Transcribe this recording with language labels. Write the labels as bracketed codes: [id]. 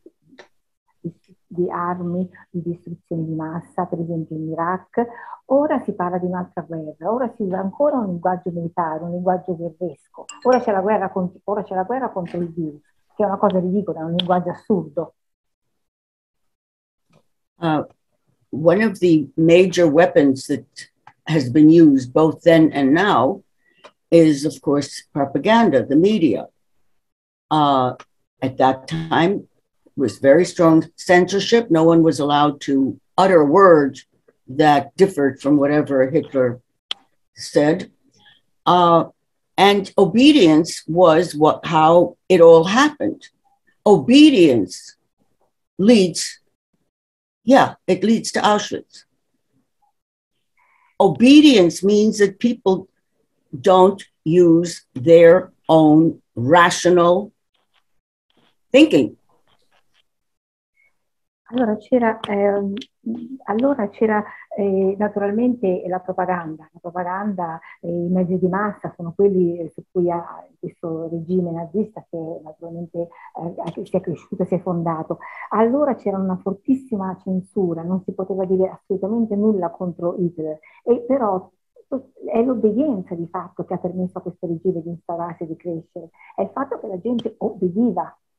[it] Si è parlato di armi di distruzione di massa, per esempio in Iraq. Ora si parla di un'altra guerra, ora si usa ancora un linguaggio militare, un linguaggio guerresco. Ora c'è la guerra contro il virus, che è una cosa ridicola, è un linguaggio assurdo. [en] One of the major weapons that has been used both then and now is, of course, propaganda, the media. At that time, was very strong censorship. No one was allowed to utter words that differed from whatever Hitler said. And obedience was how it all happened. Obedience leads to Auschwitz. Obedience means that people don't use their own rational thinking. [it] Allora c'era naturalmente la propaganda e i mezzi di massa sono quelli su cui ha questo regime nazista che naturalmente si è cresciuto, si è fondato. Allora c'era una fortissima censura, non si poteva dire assolutamente nulla contro Hitler, e però è l'obbedienza di fatto che ha permesso a questo regime di instaurarsi e di crescere, è il fatto che la gente obbediva.